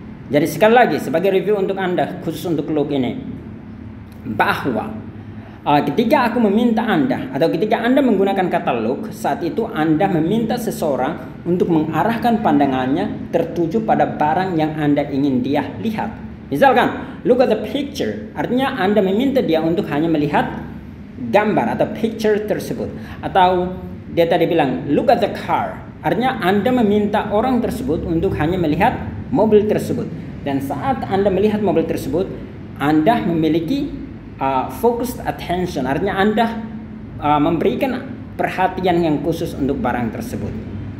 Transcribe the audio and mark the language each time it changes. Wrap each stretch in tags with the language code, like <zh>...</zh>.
<id>Jadi sekali lagi sebagai review untuk Anda, khusus untuk look ini, bahwa ketika aku meminta Anda, atau ketika Anda menggunakan kata look, saat itu Anda meminta seseorang untuk mengarahkan pandangannya tertuju pada barang yang Anda ingin dia lihat. Misalkan,</id> <en>look at the picture.</en> <id>Artinya Anda meminta dia untuk hanya melihat gambar atau picture tersebut. Atau dia tadi bilang</id> <en>look at the car.</en> <id>Artinya Anda meminta orang tersebut untuk hanya melihat mobil tersebut. Dan saat Anda melihat mobil tersebut, Anda memiliki</id> <en>focused attention.</en> <id>Artinya Anda memberikan perhatian yang khusus untuk barang tersebut.</id>